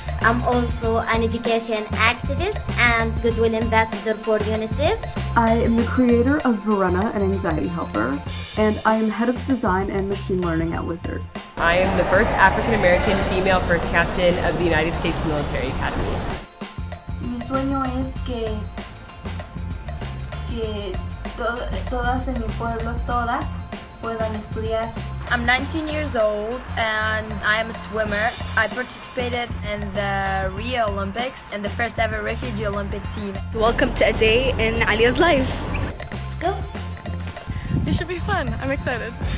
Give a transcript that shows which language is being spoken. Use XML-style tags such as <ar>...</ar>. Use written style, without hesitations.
<en>I'm also an education activist and goodwill ambassador for UNICEF. I am the creator of Verena, an anxiety helper, and I am head of design and machine learning at Wizard. I am the first African-American female first captain of the United States Military Academy.</en> <es>Mi sueño es que todas en mi pueblo, todas, puedan estudiar.</es> <en>I'm 19 years old and I am a swimmer. I participated in the Rio Olympics and the first ever refugee Olympic team. Welcome to a day in Alia's life. Let's go. It should be fun. I'm excited.</en>